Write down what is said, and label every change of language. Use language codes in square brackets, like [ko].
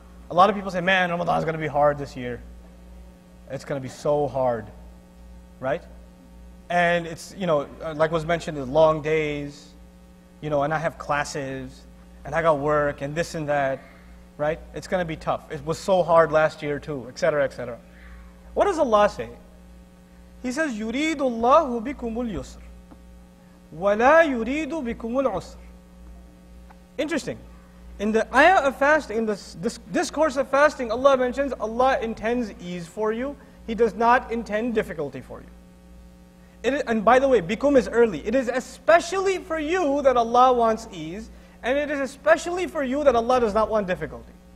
[en] A lot of people say, man, Ramadan is going to be hard this year. It's going to be so hard, right? And it's, you know, like was mentioned, the long days, you know, and I have classes, and I got work, and this and that, right? It's going to be tough. It was so hard last year too, etc., etc. What does Allah say? He says, [ar] يُرِيدُ اللَّهُ بِكُمُ الْيُسْرِ وَلَا يُرِيدُ بِكُمُ الْعُسْرِ. [en] Interesting. In the ayah of fasting, in this discourse of fasting, Allah mentions Allah intends ease for you. He does not intend difficulty for you. It is, and by the way, bikum is early. It is especially for you that Allah wants ease, and it is especially for you that Allah does not want difficulty.